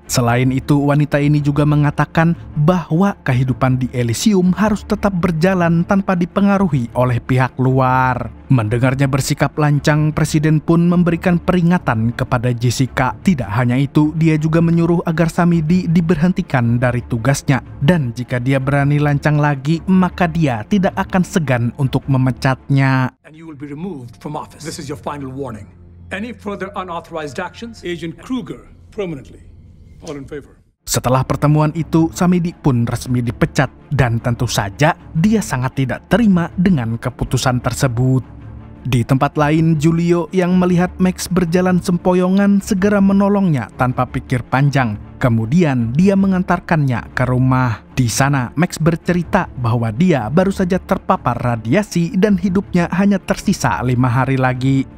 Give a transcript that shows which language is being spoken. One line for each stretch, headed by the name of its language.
Indonesian: Selain itu, wanita ini juga mengatakan bahwa kehidupan di Elysium harus tetap berjalan tanpa dipengaruhi oleh pihak luar. Mendengarnya bersikap lancang, Presiden pun memberikan peringatan kepada Jessica. Tidak hanya itu, dia juga menyuruh agar Samidi diberhentikan dari tugasnya. Dan jika dia berani lancang lagi, maka dia tidak akan segan untuk memecatnya.
English: And you will be removed from office. This is your final warning. Any further unauthorized actions? Agent Kruger, permanently. All in favor.
Indonesian: Setelah pertemuan itu, Samidi pun resmi dipecat. Dan tentu saja, dia sangat tidak terima dengan keputusan tersebut. Di tempat lain, Julio yang melihat Max berjalan sempoyongan segera menolongnya tanpa pikir panjang. Kemudian, dia mengantarkannya ke rumah. Di sana, Max bercerita bahwa dia baru saja terpapar radiasi dan hidupnya hanya tersisa 5 hari lagi.